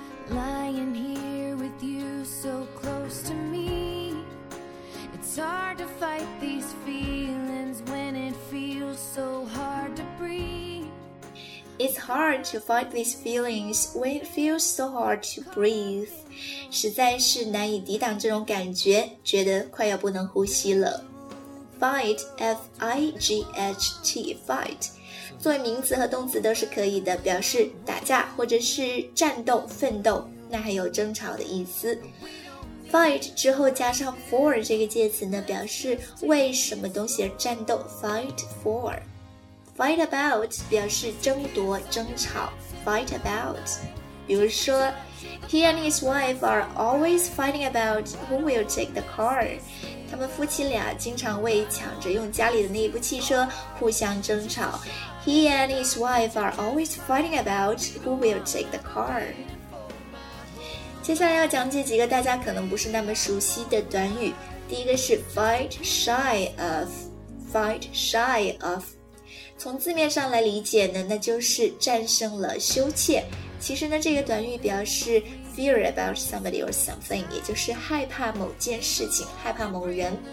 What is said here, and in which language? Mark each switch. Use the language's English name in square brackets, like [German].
[English] Lying here with you so close to me, it's hard to fight these feelings when it feels so hard to breathe. It's hard to fight these feelings when it feels so hard to breathe. [Chinese] 实在是难以抵挡这种感觉，觉得快要不能呼吸了。 [English] Fight, F-I-G-H-T, Fight。 [Chinese] 作为名词和动词都是可以的，表示打架或者是战斗、奋斗，那还有争吵的意思。 Fight 之后加上 for 这个介词呢，表示为什么东西而战斗 ，fight for。 Fight about 表示争夺、争吵 ，fight about。比如说 [English] ，He and his wife are always fighting about who will take the car。 [Chinese] 他们夫妻俩经常为抢着用家里的那一部汽车互相争吵。 [English] He and his wife are always fighting about who will take the car。 [Chinese] 接下来要讲解几个大家可能不是那么熟悉的短语。第一个是 fight shy of， fight shy of， 从字面上来理解呢，那就是战胜了羞怯。其实呢，这个短语表示 [English] fear about somebody or something， [Chinese] 也就是害怕某件事情，害怕某人。